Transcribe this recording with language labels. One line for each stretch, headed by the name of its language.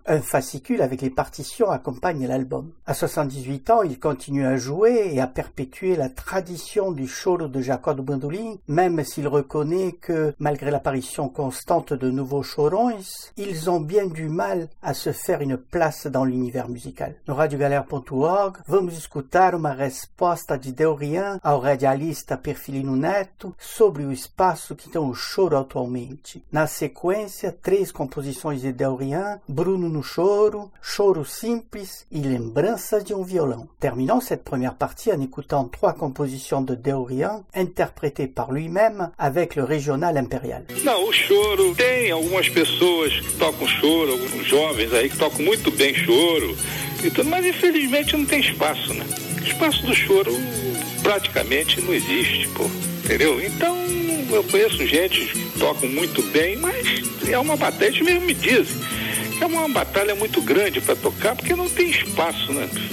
French: Un fascicule avec les partitions accompagne l'album. À 78 ans, il continue à jouer et à perpétuer la tradition du choro de Jacques Bandoli, même s'il reconnaît que, malgré l'apparition constante de nouveaux chorons, ils ont bien du mal à se faire une place dans l'univers musical.
Portuguese: No radiogalera.org, vamos escutar uma resposta de Déorien ao radialista Perfilino Neto sobre o espaço que tem o choro atualmente. Na sequência, três composições de Déorien, Bruno no choro, Choro simples e Lembranças de um violão.
French: Terminons cette première partie en écoutant trois compositions de Déorien interprétées par lui-même avec le régional impérial.
Portuguese: Não, o choro, tem algumas pessoas que tocam choro, alguns jovens aí que tocam muito bem choro, e tudo, mas infelizmente não tem espaço, né? O espaço do choro praticamente não existe, pô, entendeu? Então eu conheço gente que tocam muito bem, mas é uma batalha, eles mesmo me dizem, é uma batalha muito grande para tocar porque não tem espaço, né?